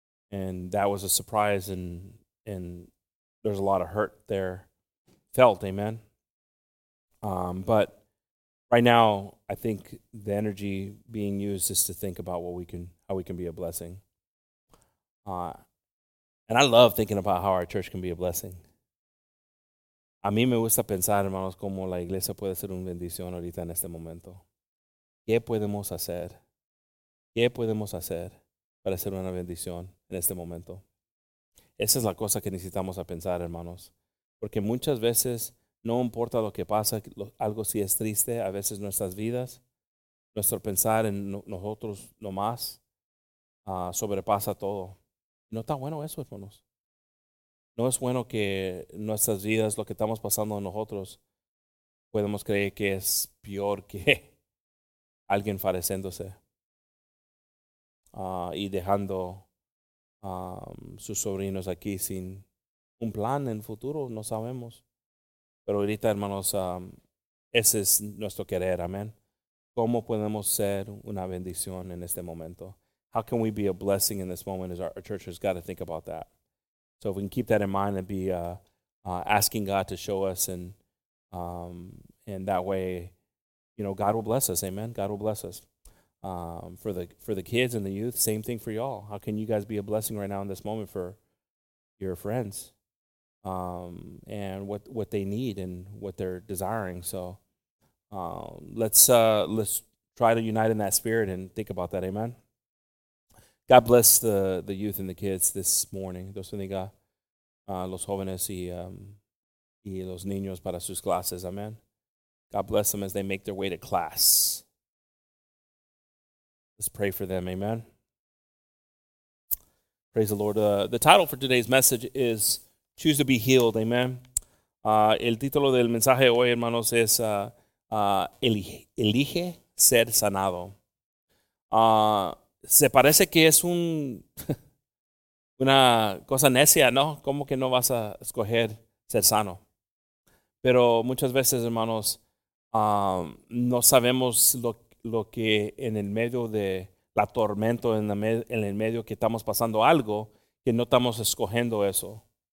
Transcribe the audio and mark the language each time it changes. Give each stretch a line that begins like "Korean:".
English: And that was a surprise, and there's a lot of hurt there felt, amen. But right now, I think the energy being used is to think about what we can, how we can be a blessing. And I love thinking about how our church can be a blessing.
Spanish: A mí me gusta pensar, hermanos, cómo la iglesia puede ser una bendición ahorita en este momento. ¿Qué podemos hacer? ¿Qué podemos hacer para ser una bendición en este momento? Esa es la cosa que necesitamos a pensar, hermanos. Porque muchas veces, no importa lo que pasa, algo sí es triste, a veces nuestras vidas, nuestro pensar en nosotros nomás, sobrepasa todo. No está bueno eso, hermanos. No es bueno que nuestras vidas, lo que estamos pasando nosotros, podemos creer que es peor que alguien padeciéndose y dejando sus sobrinos aquí sin un plan en futuro, no sabemos. Pero ahorita, hermanos, ese es nuestro querer, amén. ¿Cómo podemos ser una bendición en este momento?
English: How can we be a blessing in this moment? As our church has got to think about that. So if we can keep that in mind and be asking God to show us, and that way, you know, God will bless us. Amen. God will bless us. For the kids and the youth, same thing for y'all. How can you guys be a blessing right now in this moment for your friends and what they need and what they're desiring? So let's try to unite in that spirit and think about that. Amen. God bless the youth and the kids this morning.
Spanish: Dios bendiga los jóvenes y los niños para sus clases.
English: Amen. God bless them as they make their way to class. Let's pray for them. Amen. Praise the Lord. The title for today's message is Choose to be Healed. Amen.
Spanish: El título del mensaje hoy, hermanos, es Elige Ser Sanado. Se parece que es una cosa necia, ¿no? ¿Cómo que no vas a escoger ser sano? Pero muchas veces, hermanos, no sabemos lo que en el medio de la tormenta, en el medio que estamos pasando algo, que no estamos escogiendo eso.